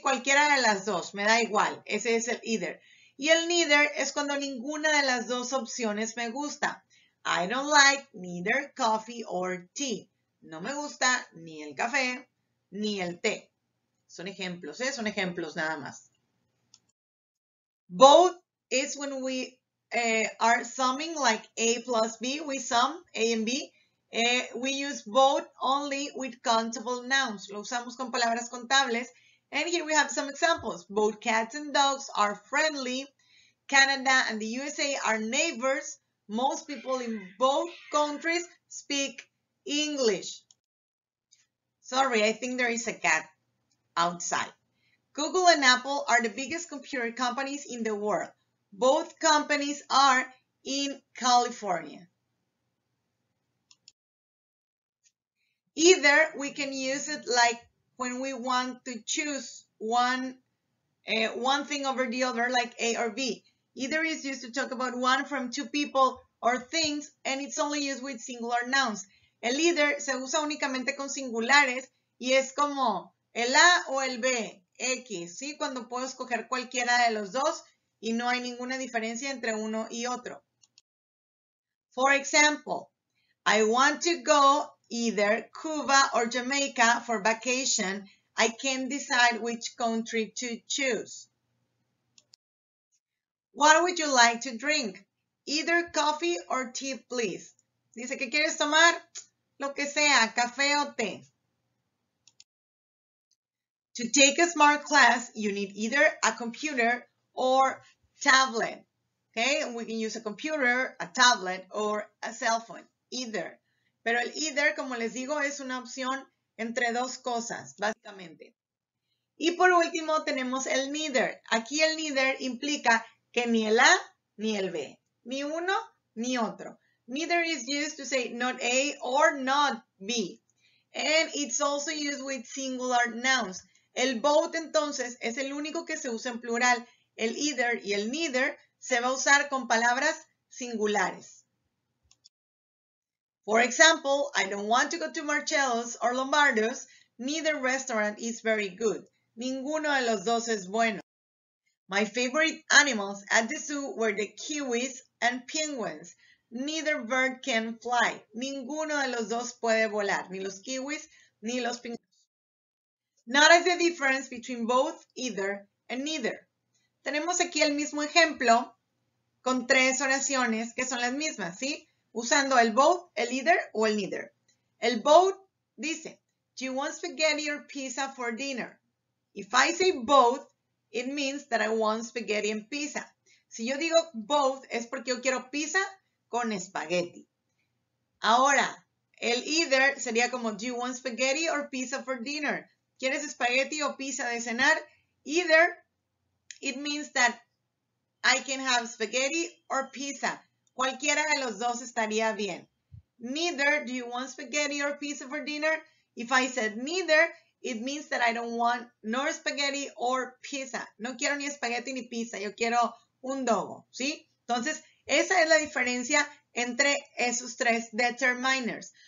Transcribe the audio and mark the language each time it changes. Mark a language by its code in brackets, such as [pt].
[es] Cualquiera de las dos, me da igual, ese es el either. Y el neither es cuando ninguna de las dos opciones me gusta. [en] I don't like neither coffee or tea. [es] No me gusta ni el café ni el té. Son ejemplos, ¿eh? Son ejemplos nada más. [en] Both is when we are summing like A plus B, we sum A and B. We use both only with countable nouns. [es] Lo usamos con palabras contables. [en] And here we have some examples. Both cats and dogs are friendly. Canada and the USA are neighbors. Most people in both countries speak English. Sorry, I think there is a cat outside. Google and Apple are the biggest computer companies in the world. Both companies are in California. Either we can use it like when we want to choose one thing over the other, like A or B. Either is used to talk about one from two people or things, and it's only used with singular nouns. [es] El either se usa únicamente con singulares y es como el A o el B, X, ¿sí? Cuando puedo escoger cualquiera de los dos. Y no hay ninguna diferencia entre uno y otro. [en] For example, I want to go either Cuba or Jamaica for vacation. I can't decide which country to choose. What would you like to drink? Either coffee or tea, please. [es] Dice, ¿qué quieres tomar? Lo que sea, café o té. [en] To take a smart class, you need either a computer or tablet. Okay, and we can use a computer, a tablet, or a cell phone, either. [es] Pero el either, como les digo, es una opción entre dos cosas, básicamente. Y por último, tenemos el neither. Aquí el neither implica que ni el A ni el B, ni uno ni otro. [en] Neither is used to say not A or not B. And it's also used with singular nouns. [es] El both, entonces, es el único que se usa en plural. El either y el neither se va a usar con palabras singulares. [en] For example, I don't want to go to Marcello's or Lombardo's. Neither restaurant is very good. [es] Ninguno de los dos es bueno. [en] My favorite animals at the zoo were the kiwis and penguins. Neither bird can fly. [es] Ninguno de los dos puede volar, ni los kiwis ni los pingüinos. [en] Notice the difference between both, either, and neither. [es] Tenemos aquí el mismo ejemplo con tres oraciones que son las mismas, ¿sí? Usando el both, el either o el neither. El both dice, [en] "Do you want spaghetti or pizza for dinner?" If I say both, it means that I want spaghetti and pizza. [es] Si yo digo both, es porque yo quiero pizza con espagueti. Ahora, el either sería como, [en] "Do you want spaghetti or pizza for dinner?" [es] ¿Quieres espagueti o pizza de cenar? [en] Either. It means that I can have spaghetti or pizza. [es] Cualquiera de los dos estaría bien. [en] Neither do you want spaghetti or pizza for dinner? If I said neither, it means that I don't want nor spaghetti or pizza. [es] No quiero ni espagueti ni pizza. Yo quiero un dogo, ¿sí? Entonces, esa es la diferencia entre esos tres determiners.